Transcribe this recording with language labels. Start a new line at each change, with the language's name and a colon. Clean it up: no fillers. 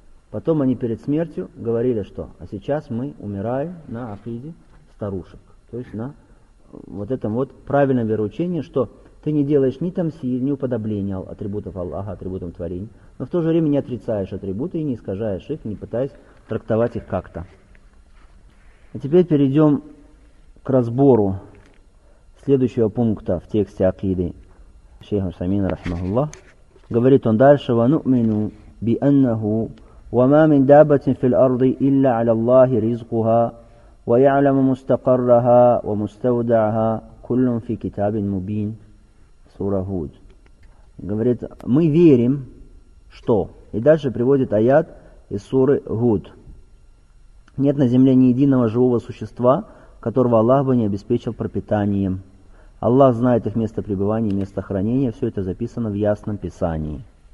Russian: Потом они перед смертью говорили, что а сейчас мы умираем на акиде старушек, то есть на вот этом вот правильном вероучении, что ты не делаешь ни тамсиль, ни уподобления атрибутов Аллаха, атрибутам творения, но в то же время не отрицаешь атрибуты и не искажаешь их, не пытаясь трактовать их как-то. А теперь перейдем к разбору следующего пункта в тексте акиды.
Arabic: Шейх Усамин, рахмахуллах,
Russian: говорит он дальше:
Arabic: وَنُؤْمِنُ بِأَنَّهُ وَمَا مِنْ دَابَةٍ فِي الْأَرْضِ إِلَّا عَلَى اللَّهِ رِزْقُهَا وَيَعْلَمُ مُسْتَقَرَّهَا وَمُسْتَوْدَعَهَا كُلٌّ فِي كِتَابٍ مُبِينٍ.
Russian: Сура Худ. Говорит, мы верим, что... И дальше приводит аят из суры Худ. Нет на земле ни единого живого существа, которого Аллах бы не обеспечил пропитанием. Аллах знает их место пребывания, место хранения. Все это записано в Ясном Писании.